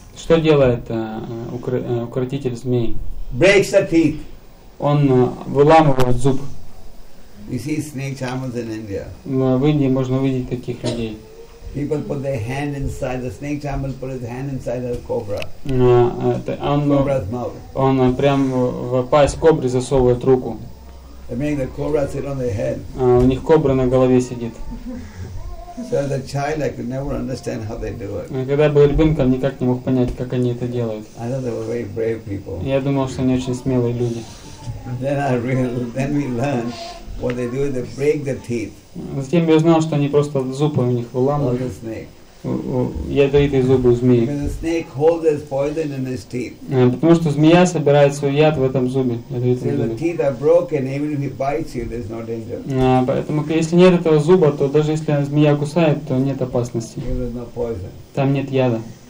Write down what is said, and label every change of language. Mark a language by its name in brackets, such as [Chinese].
[Russian] Что делает укротитель змей? [English] Breaks the teeth. [Russian] Он выламывает зуб. [English] You see snake charmers in India. [Russian] В Индии можно увидеть таких людей. [English] People put their hand inside the snake charmer, put his hand inside the cobra. Cobra's mouth. [Russian] Он прям в пасть кобры засовывает руку. [English] I mean, the cobra sit on their head. [Russian] У них кобра на голове сидит. [English] So as a child, I could never understand how they do it. [Russian] Когда я был ребенком, никак не мог понять, как они это делают. [English] I thought they were very brave people. [Russian] Я думал, что они очень смелые люди. [English] Then we learned what they do is they break the teeth. [Russian] Затем я узнал, что они просто зубы у них выламывают. [English] Or the snake. [Russian] ядовитые зубы у змеи. Потому что змея собирает свой яд в этом зубе. Поэтому если нет этого зуба, то даже если змея кусает, то нет опасности. Там нет яда.